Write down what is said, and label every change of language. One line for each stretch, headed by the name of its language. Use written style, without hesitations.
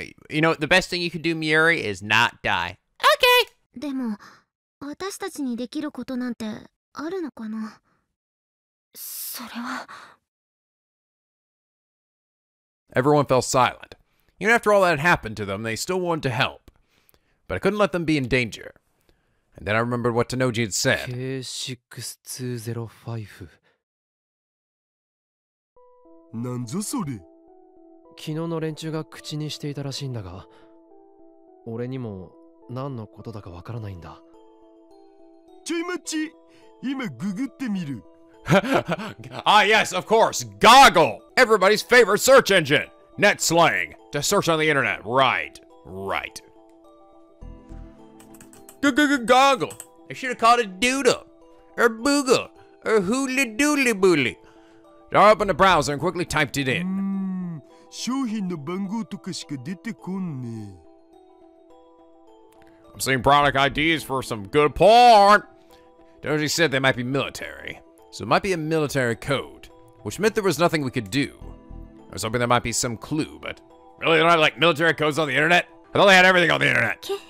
English: You know, the best thing you can do, Miyuri, is not die. Okay!
Japanese: でも、私たちにできることなんてあるのかな？それは。
English: Everyone fell silent. Even after all that had happened to them, they still wanted to help. But I couldn't let them be in danger. And then I remembered what Tanoji had said. K6205.
Japanese: なんぞそれ？昨日の連中が口にしていたらしいんだが、俺にも何のことだかわからないんだ。ちょい待ち、今ググってみる。
English: Ah, yes, of course. Goggle! Everybody's favorite search engine! Net slang! To search on the internet. Right. Right. Goggle! I should have called it Doodle. Or Boogle. Or Hooly Dooly Booly. I opened a browser and quickly typed it in.
Japanese: 商品の番号とかしか出てこんね。
English: I'm seeing product IDs for some good porn! Doji said they might be military. So it might be a military code, which meant there was nothing we could do. I was hoping there might be some clue, but really, they don't have like military codes on the internet? I thought they had everything on the internet.